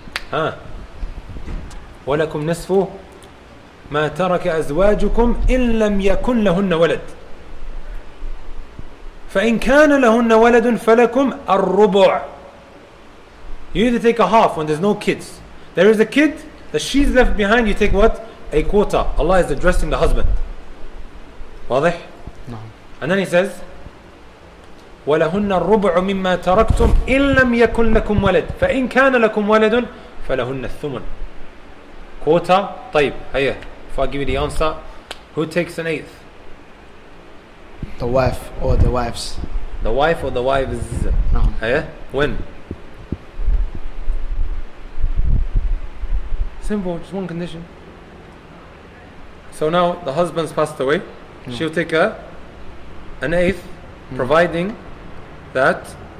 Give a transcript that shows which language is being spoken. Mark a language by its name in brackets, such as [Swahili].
[Arabic] Huh? وَلَكُمْ نَصْفُ مَا تَرَكَ أَزْوَاجُكُمْ إِنْ لَمْ يَكُنْ لَهُنَّ وَلَدٌ فَإِنْ كَانَ لَهُنَّ وَلَدٌ فَلَكُمْ الرُّبُعُ. [English] You either take a half when there's no kids. There is a kid that she's left behind, you take what? A quota. Allah is addressing the husband. [Arabic] واضح؟ [English] No. And then he says, [Arabic] وَلَهُنَّ الرُّبُعُ مِمَّا تَرَكْتُمْ إِنْ لَمْ يَكُنْ لَكُمْ وَلَدٌ فَإِنْ كَانَ لَكُمْ وَلَدٌ فَلَهُنَّ الثُّمُنُ. [English] Quota, طيب, هيا, if I give you the answer, who takes an eighth? The wife or the wives. The wife or the wives? No. هيا, when? Simple, just one condition. So now the husband's passed away, she'll take an eighth, providing that